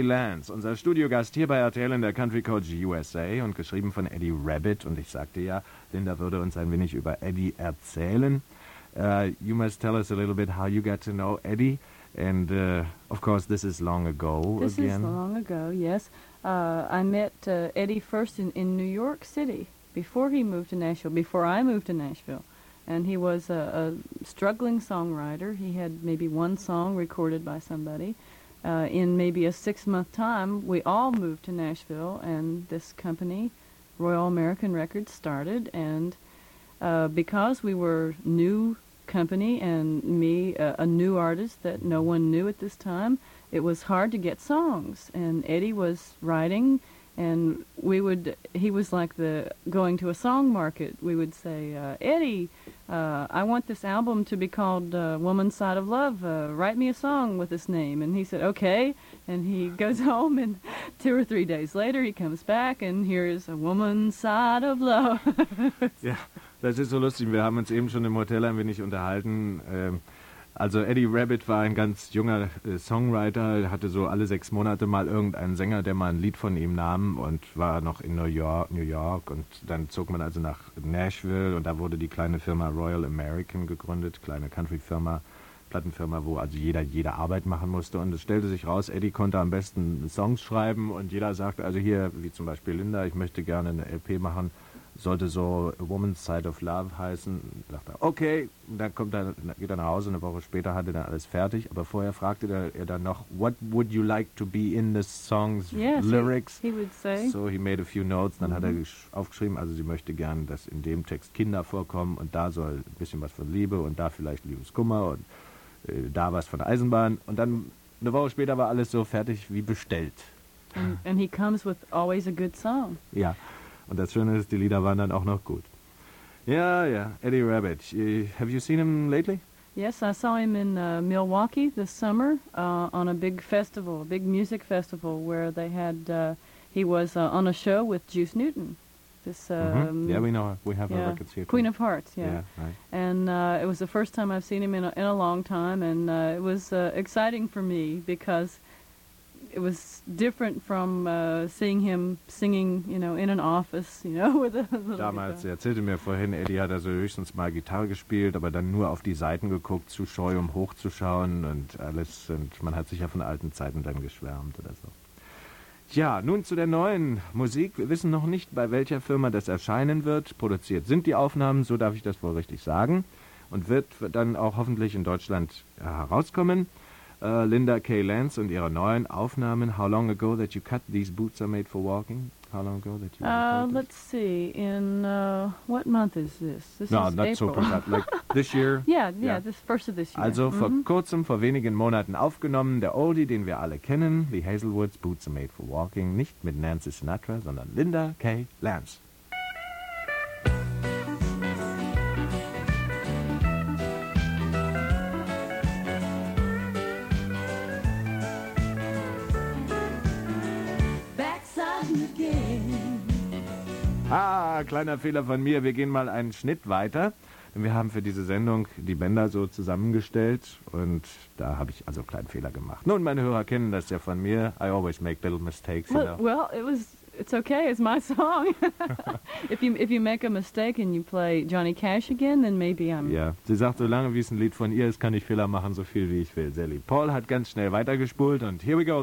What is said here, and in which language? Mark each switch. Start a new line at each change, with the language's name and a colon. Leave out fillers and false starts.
German: Lance, unser Studiogast hier bei RTL in der Country Coach USA und geschrieben von Eddie Rabbit. Und ich sagte ja, Linda würde uns ein wenig über Eddie erzählen.
English: You must tell us a little bit how you got to know Eddie. And, of course, this is long ago again. This is long ago, yes. I met Eddie first in New York City before he moved to Nashville, before I moved to Nashville. And he was a struggling songwriter. He had maybe one song recorded by somebody. In maybe a six-month time, we all moved to Nashville, and this company, Royal American Records, started. And because we were new company and me a new artist that no one knew at this time, it was hard to get songs. And Eddie was writing, and we would, he was like the going to a song market. We would say, Eddie, I want this album to be called Woman's Side of Love. Write me a song with this name. And he said, okay. And he goes home, and two or three days later, he comes back, and here's a Woman's Side of Love.
German: Yeah, das ist so lustig. Wir haben uns eben schon im Hotel ein wenig unterhalten. Also Eddie Rabbit war ein ganz junger Songwriter, hatte so alle sechs Monate mal irgendeinen Sänger, der mal ein Lied von ihm nahm, und war noch in New York. Und dann zog man also nach Nashville, und da wurde die kleine Firma Royal American gegründet, kleine Country-Firma, Plattenfirma, wo also jeder Arbeit machen musste. Und es stellte sich raus, Eddie konnte am besten Songs schreiben, und jeder sagte, also hier, wie zum Beispiel Linda, ich möchte gerne eine LP machen. Sollte so Woman's Side of Love heißen, sagt er, okay, und dann geht er nach Hause, eine Woche später hat er dann alles fertig, aber vorher fragte er dann noch,
English: what would you like to be in the song's lyrics? He would say. So he made a few notes,
German: dann hat er aufgeschrieben, also sie möchte gern, dass in dem Text Kinder vorkommen und da soll ein bisschen was von Liebe und da vielleicht Liebeskummer und da was von Eisenbahn, und dann eine Woche später war alles so fertig wie bestellt.
English: And he comes with always a good song.
German: Ja. Und das Schöne ist, die Lieder waren dann auch noch gut.
English: Yeah, Eddie Rabbit. Have you seen him lately? Yes, I saw him in Milwaukee this summer on a big festival, a big music festival, where they had, he was on a show with Juice Newton. Yeah, we know her. We have her records here. Queen of Hearts, yeah. Yeah, right. And it was the first time I've seen him in a long time, and it was exciting for me because it was different from seeing him singing, you know, in an office, you know, with a little guitar.
German: Damals, er erzählte mir vorhin, Eddie hat also höchstens mal Gitarre gespielt, aber dann nur auf die Seiten geguckt, zu scheu, um hochzuschauen und alles. Und man hat sich ja von alten Zeiten dann geschwärmt oder so. Tja, nun zu der neuen Musik. Wir wissen noch nicht, bei welcher Firma das erscheinen wird. Produziert sind die Aufnahmen, so darf ich das wohl richtig sagen. Und wird dann auch hoffentlich in Deutschland herauskommen. Linda K. Lance und ihre neuen Aufnahmen.
English: How long ago that you cut these boots are made for walking? How long ago that you Let's see. In what month is this? This no, is not April. So precise. Like this year? Yeah, this first of this year.
German: Also vor kurzem, vor wenigen Monaten aufgenommen, der Oldie, den wir alle kennen, die Hazelwoods, Boots are made for walking, nicht mit Nancy Sinatra, sondern Linda K. Lance. Ah, kleiner Fehler von mir. Wir gehen mal einen Schnitt weiter. Wir haben für diese Sendung die Bänder so zusammengestellt und da habe ich also einen kleinen Fehler gemacht. Nun, meine Hörer kennen das ja von mir.
English: I always make little mistakes. Well, you know? Well it's okay. It's my song. if you make a mistake and you play Johnny Cash again, then maybe I'm...
German: Ja, sie sagt, solange wie es ein Lied von ihr ist, kann ich Fehler machen, so viel wie ich will. Sally Paul hat ganz schnell weitergespult und
English: here we go.